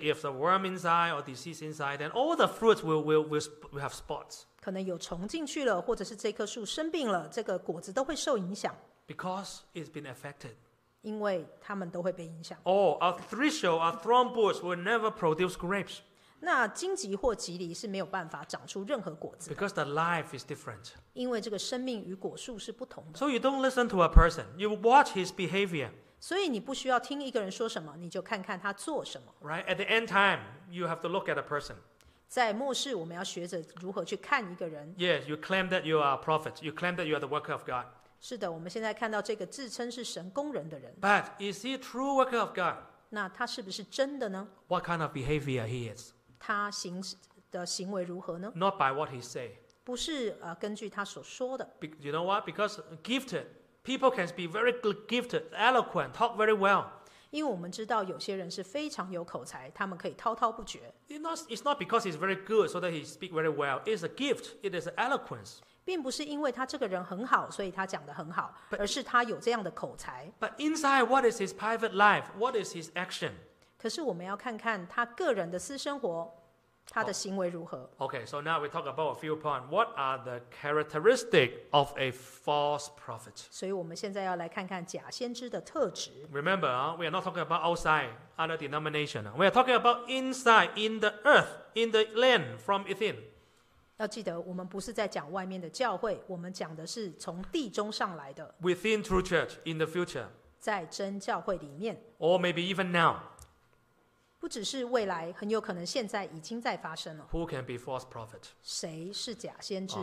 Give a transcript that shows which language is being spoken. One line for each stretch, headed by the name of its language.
English: If the worm inside or disease inside, then all the fruits will have spots.
Chinese: 可能有虫进去了，或者是这棵树生病了，这个果子都会受影响。
English: Because it's been affected.
Chinese: 因为他们都会被影响。
English: Or a thistle, a thorn bush will never produce grapes.
Chinese: 那荆棘或蒺藜是没有办法长出任何果子。
English: Because the life is different.
Chinese: 因为这个生命与果树是不同的。
English: So you don't listen to a person. You watch his behavior.
Chinese: 所以你不需要听一个人说什么，你就看看他做什么。
English: Right? At the end time, you have to look at a person.
Chinese: 在末世，我们要学着如何去看一个人。
English: Yes, you claim that you are a prophet. You claim that you are the worker of God.
Chinese: 是的，我们现在看到这个自称是神工人的人。
English: But is he a true worker of God?
Chinese: 那他是不是真的呢？
English: What kind of behavior he is?
Chinese: 他行的行为如何呢？
English: Not by what he say.
Chinese: 不是根据他所说的。
English: You know what? Because gifted, people can be very gifted, eloquent, talk very well.
Chinese: 因为我们知道有些人是非常有口才，他们可以滔滔不绝。
English: It's not because he's very good so that he speaks very well. It's a gift. It is eloquence.
Chinese: 并不是因为他这个人很好，所以他讲得很好，而是他有这样的口才。
English: But inside, what is his private life? What is his action?
Chinese: 可是我们要看看他个人的私生活，他的行为如何。
English: Okay, so now we talk about a few points. What are the characteristics of a false prophet?
Chinese: 所以我们现在要来看看假先知的特质。
English: Remember, we are not talking about outside, other denomination. We are talking about inside, in the earth, in the land, from within.
Chinese: 要记得，我们不是在讲外面的教会，我们讲的是从地中上来的。
English: Within true church in the future，
Chinese: 在真教会里面
English: ，or maybe even now，
Chinese: 不只是未来，很有可能现在已经在发生了。
English: Who can be false prophet？
Chinese: 谁是假先知